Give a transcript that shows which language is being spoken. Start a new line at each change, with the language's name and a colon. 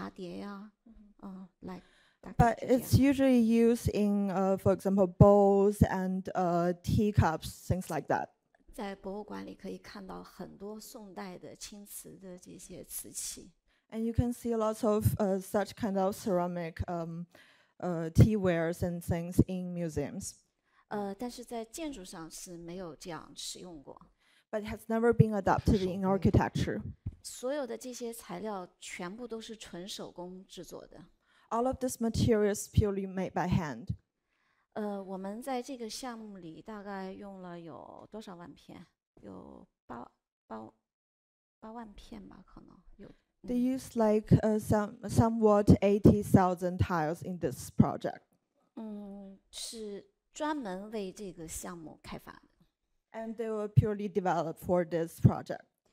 Chinese: 但是基本上是用在我们使用的一些器具上，就比方说碗啊、茶碟呀，嗯，来。
English: But it's usually used in, for example, bowls and teacups, things like that.
Chinese: 在博物馆里可以看到很多宋代的青瓷的这些瓷器。And
English: you can see lots of such kind of ceramic teawares and things in museums.
Chinese: 但是在建筑上是没有这样使用过。But
English: it has never been adopted in architecture.
Chinese: 所有的这些材料全部都是纯手工制作的。
English: All of this material is purely made by hand.
Chinese: 我们在这个项目里大概用了有多少万片？有八万片吧，可能有。They
English: used like somewhat 80,000 tiles in this project.
Chinese: 是专门为这个项目开发的。
English: And they were purely developed for this project.